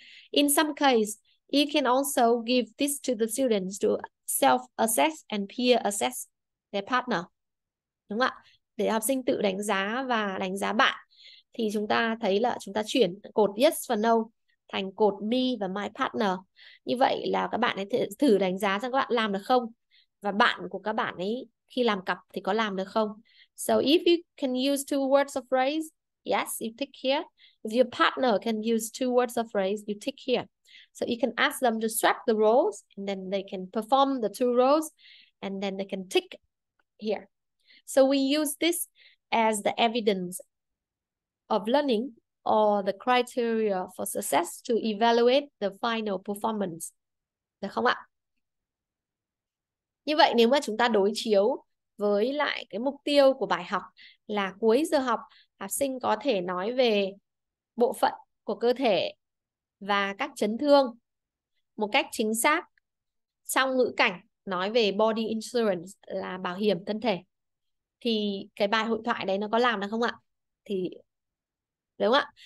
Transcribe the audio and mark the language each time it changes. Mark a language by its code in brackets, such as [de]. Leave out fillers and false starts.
[en] In some case, you can also give this to the students to self-assess and peer-assess their partner. [vi] Đúng không ạ? Để học sinh tự đánh giá và đánh giá bạn. Thì chúng ta thấy là chúng ta chuyển cột yes và no thành cột me và my partner. Như vậy là các bạn ấy thử đánh giá xem các bạn làm được không, và bạn của các bạn ấy khi làm cặp thì có làm được không. [en] So if you can use 2 words or phrase, yes, you tick here. If your partner can use 2 words or phrase, you tick here. So you can ask them to swap the roles and then they can perform the 2 roles and then they can tick here. So we use this as the evidence of learning or the criteria for success to evaluate the final performance. [vi] Được không ạ? Như vậy nếu mà chúng ta đối chiếu với lại cái mục tiêu của bài học là cuối giờ học học sinh có thể nói về bộ phận của cơ thể và các chấn thương một cách chính xác trong ngữ cảnh nói về body insurance là bảo hiểm thân thể, thì cái bài hội thoại đấy nó có làm được không ạ? Thì Đúng ạ.